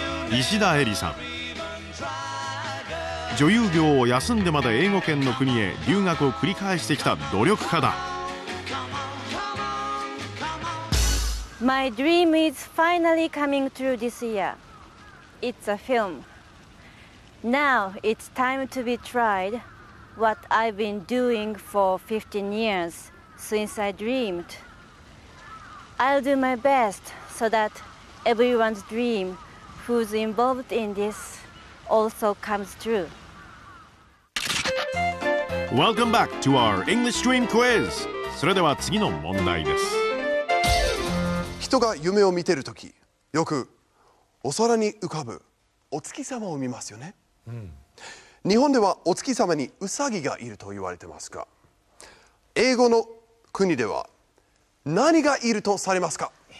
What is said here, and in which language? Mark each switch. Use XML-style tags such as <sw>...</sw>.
<ja>石田えりさん、女優業を休んでまで英語圏の国へ留学を繰り返してきた努力家だ。</ja> <en>My dream is finally coming true this year. It's a film. Now it's time to be tried what I've been doing for 15 years since I dreamed. I'll do my best so that everyone's dream who's involved in this also comes true. Welcome back to our English Dream Quiz.</en> <ja>それでは次の問題です。人が夢を見てるとき、よくお空に浮かぶお月様を見ますよね。うん、日本ではお月様にウサギがいると言われてますが、英語の国では何がいるとされますか。</ja>